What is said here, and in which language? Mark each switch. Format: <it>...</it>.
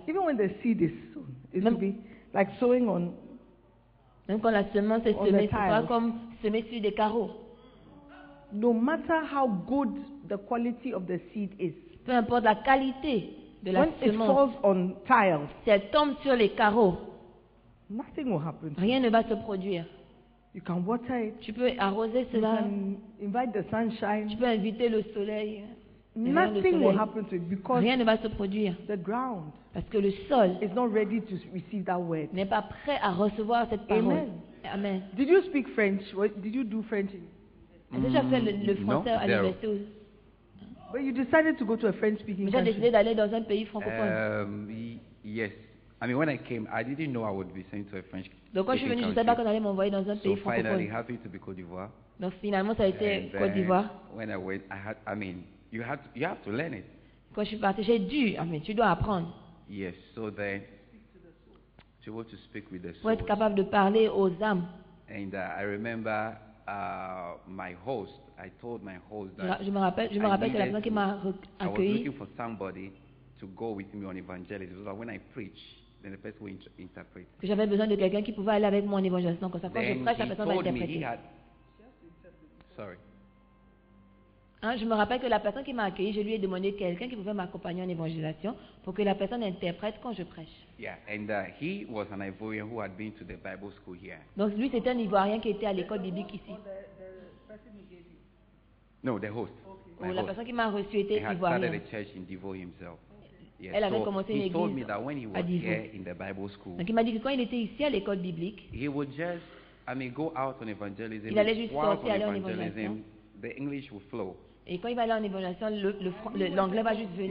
<en>Even when the seed is sown, it will be like sowing on.</en> <fr>Même quand la semence est semée, ce sera comme semer sur des carreaux.</fr> <en>No matter how good the quality of the seed is.</en> <fr>Peu importe la qualité de la semence.</fr> <en>When it falls on tiles,</en> <fr>si elle tombe sur les carreaux,</fr> <en>nothing will happen.</en> <fr>Rien ne va se produire.</fr> <en>You can water it.</en> <fr>Tu peux arroser cela.</fr> <en>You can invite the sunshine.</en> <fr>Tu peux inviter le soleil.</fr> <en>Nothing will happen to it because</en> <fr>rien ne va se produire.</fr> <en>The ground,</en> <fr>parce que le sol,</fr> <en>is not ready to receive that word.</en> <fr>N'est pas prêt à recevoir cette parole.</fr> <en>Amen.</en> <fr>Amen.</fr> <en>Did you speak French? Did you do French?</en> <fr>Déjà fait le français à l'université.</fr> <en>But you decided to go to a French-speaking country.</en> <fr>Tu as décidé d'aller dans un pays francophone.</fr> <en>Yes. I mean, when I came, I didn't know I would be sent to a French.</en> <fr>Donc quand je suis venu, je savais pas qu'on allait m'envoyer dans un pays francophone.</fr> <en>So finally, happy to be Côte d'Ivoire.</en> <fr>Donc finalement, ça a été Côte d'Ivoire.</fr> <en>When I went, I mean. You have to learn it.</en> <fr>Quand je suis partie, j'ai dû. Ah, mais tu dois apprendre.</fr> <en>Yes, so then, to be able to speak with the soul.</en> <fr>Pour être capable de parler aux âmes.</fr> <en>And I remember my host. I told my host that.</en> <fr>Je me rappelle que la personne qui m'a accueilli.</fr> <en>I was looking for somebody to go with me on evangelism. So when I preach, then the person will interpret.</en> <fr>Que j'avais besoin de quelqu'un qui pouvait aller avec moi en évangélisme. Donc quand je prêche, la personne va interpréter.</fr> <en>Sorry.</en> <fr>Je me rappelle que la personne qui m'a accueilli, je lui ai demandé quelqu'un qui pouvait m'accompagner en évangélisation pour que la personne interprète quand je prêche.</fr> <en>Yeah, and he was an Ivorian who had been to the Bible school here.</en> <fr>Donc lui c'était un Ivoirien qui était à l'école biblique ici.</fr> <en>No, the host.</en> <fr>Okay. La personne qui m'a reçu était Ivoirien.</fr> <en>He had started a church in Divo himself.</en> <fr>Yeah. Elle avait commencé une église.</fr> <en>He told me that when he was here in the Bible school.</en> <fr>Donc il m'a dit que quand il était ici à l'école biblique,</fr> <en>he would just, go out on evangelism.</en> <fr>Il allait juste sortir aller en évangélisation.</fr> <en>The English would flow.</en> <fr>Et quand il va aller en évaluation, l'anglais va juste venir.</fr>